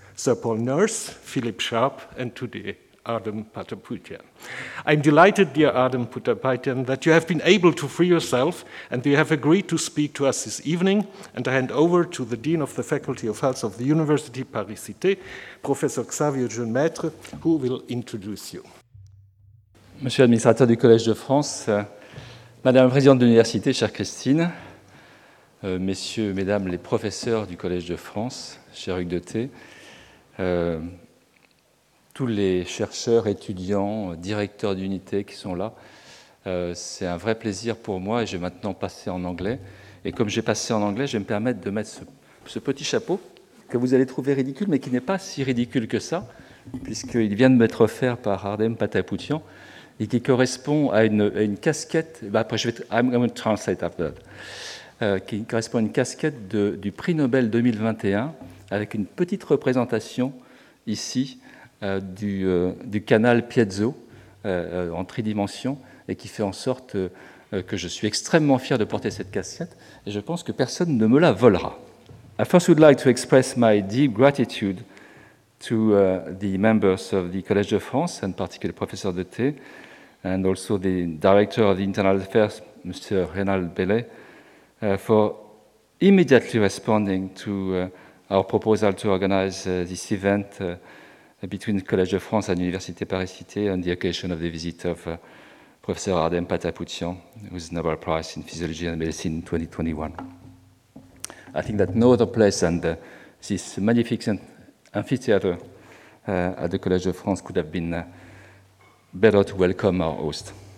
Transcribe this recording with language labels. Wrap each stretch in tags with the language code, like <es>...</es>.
<en>Sir Paul Nurse, Philippe Sharp, and today Adam Patapoutian. I'm delighted, dear Adam Patapoutian, that you have been able to free yourself and you have agreed to speak to us this evening, and I hand over to the Dean of the Faculty of Health of the University Paris Cité, Professor Xavier Jeune-Maître, who will introduce you.</en> <fr>Monsieur l'administrateur du Collège de France, Madame la Présidente de l'Université, chère Christine, Messieurs, Mesdames les professeurs du Collège de France, cher Hugues de Thé, tous les chercheurs, étudiants, directeurs d'unités qui sont là, c'est un vrai plaisir pour moi et je vais maintenant passer en anglais. Et comme j'ai passé en anglais, je vais me permettre de mettre ce petit chapeau que vous allez trouver ridicule, mais qui n'est pas si ridicule que ça, puisqu'il vient de m'être offert par Adam Patapoutian et qui correspond à une casquette. Après,</fr> <en>I'm going to translate after that.</en> <fr>Qui correspond à une casquette du prix Nobel 2021 avec une petite représentation ici. Du canal Piezo en tridimension et qui fait en sorte que je suis extrêmement fier de porter cette casquette et je pense que personne ne me la volera.</fr> <en>I first would like to express my deep gratitude to the members of the Collège de France, and particularly Professor de Thé, and also the Director of the Internal Affairs, Mr. Reynald Bellet, for immediately responding to our proposal to organize this event between the Collège de France and Université Paris-Cité on the occasion of the visit of Professor Adam Patapoutian, whose Nobel Prize in Physiology and Medicine in 2021. I think that no other place than this magnificent amphitheater at the Collège de France could have been better to welcome our host.</en>